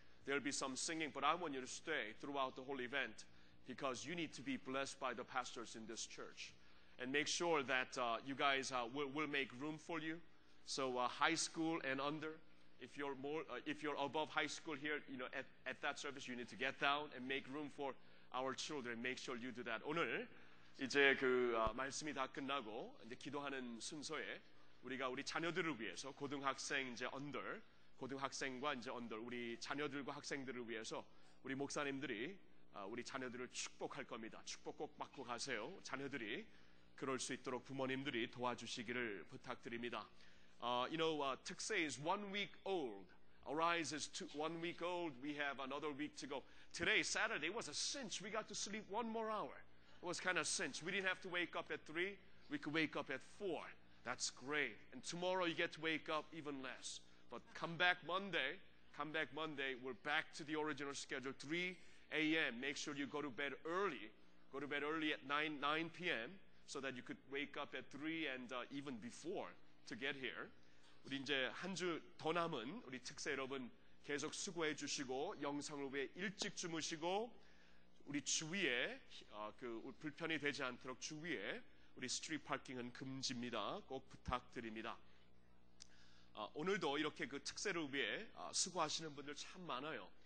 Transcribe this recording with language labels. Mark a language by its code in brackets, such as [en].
[en] There will be some singing, but I want you to stay throughout the whole event because you need to be blessed by the pastors in this church. And make sure that you guys will make room for you. So high school and under, if you're above high school here, at that service, you need to get down and make room for our children. Make sure you do that. [ko] 오늘 이제 그 말씀이 다 끝나고 이제 기도하는 순서에 우리가 우리 자녀들을 위해서 고등학생 이제 under 고등학생과 이제 under 우리 자녀들과 학생들을 위해서 우리 목사님들이 우리 자녀들을 축복할 겁니다. 축복 꼭 받고 가세요, 자녀들이. 그럴 수 있도록 부모님들이 도와주시기를 부탁드립니다. [en] Tukse is 1 week old. Arise is 1 week old. We have another week to go. Today, Saturday, was a cinch. We got to sleep one more hour. It was kind of a cinch. We didn't have to wake up at 3. We could wake up at 4. That's great. And tomorrow, you get to wake up even less. But come back Monday. Come back Monday. We're back to the original schedule, 3 a.m. Make sure you go to bed early. Go to bed early at 9 p.m. so that you could wake up at 3 and even before to get here. [ko] 우리 이제 한 주 더 남은 우리 특세 여러분 계속 수고해 주시고 영성을 위해 일찍 주무시고 우리 주위에 그 불편이 되지 않도록 주위에 우리 스트리트 파킹은 금지입니다. 꼭 부탁드립니다. 오늘도 이렇게 그 특세를 위해 수고하시는 분들 참 많아요.